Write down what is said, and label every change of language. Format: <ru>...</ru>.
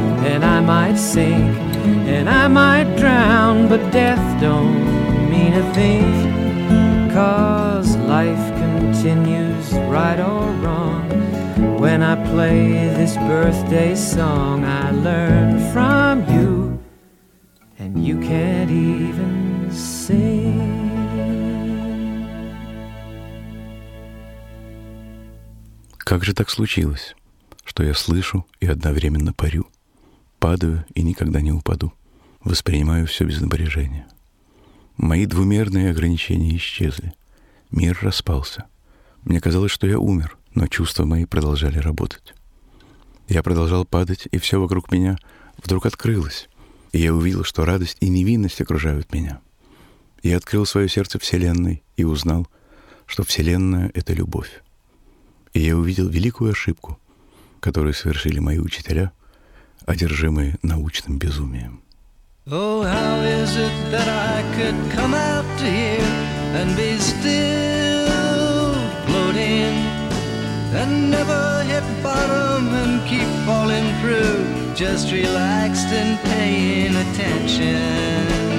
<en>And I might sink and I might drown, but death don't mean a thing, 'cause life continues right or wrong. When I play this birthday song, I learn from you, and you can't even sing.</en> <ru>Как же так случилось, что я слышу и одновременно парю, падаю и никогда не упаду, воспринимаю все без напряжения? Мои двумерные ограничения исчезли, мир распался. Мне казалось, что я умер, но чувства мои продолжали работать. Я продолжал падать, и все вокруг меня вдруг открылось, и я увидел, что радость и невинность окружают меня. Я открыл свое сердце Вселенной и узнал, что Вселенная — это любовь. И я увидел великую ошибку, которую совершили мои учителя, одержимые научным безумием.</ru> <en>Oh, how is it that I could come out to here and be still floating? And never hit bottom and keep falling through, just relaxed and paying attention.</en>